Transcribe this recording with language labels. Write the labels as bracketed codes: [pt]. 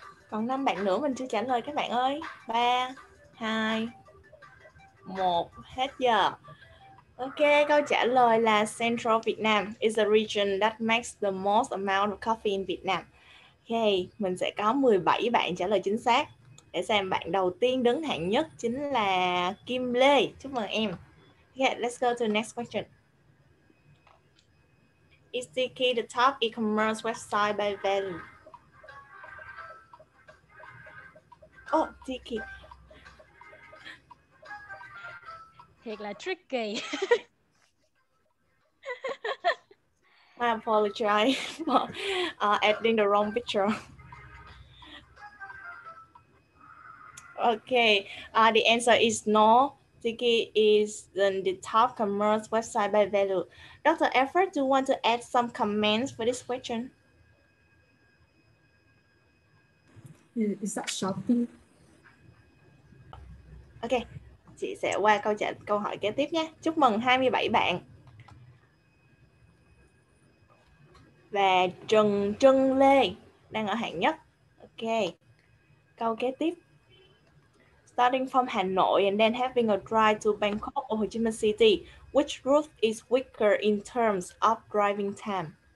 [vi] Còn 5 bạn nữa mình chưa trả lời các bạn ơi. 3, 2, 1, hết giờ. [en] Ok, [vi] câu trả lời là [en] Central Vietnam is a region that makes the most amount of coffee in Vietnam. [vi] Ok, mình sẽ có 17 bạn trả lời chính xác. Để xem bạn đầu tiên đứng hạng nhất chính là Kim Lê. Chúc mừng em. [en] Ok, let's go to the next question. Is NCUK the top e-commerce website by value? Oh, NCUK. [vi] Thiệt là tricky. [en] I apologize for adding the wrong picture. Okay, the answer is no. NCUK is the top commerce website by value. Dr. Alfred, do you want to add some comments for this question? Is that Shopee? [vi] Okay, chị sẽ qua câu hỏi kế tiếp nhé. Chúc mừng 27 bạn. Và Trần Trân Lê đang ở hạng nhất. Ok, câu kế tiếp. [en] Starting from Hà Nội and then having a drive to Bangkok or Ho Chi Minh City, which route is quicker in terms of driving time?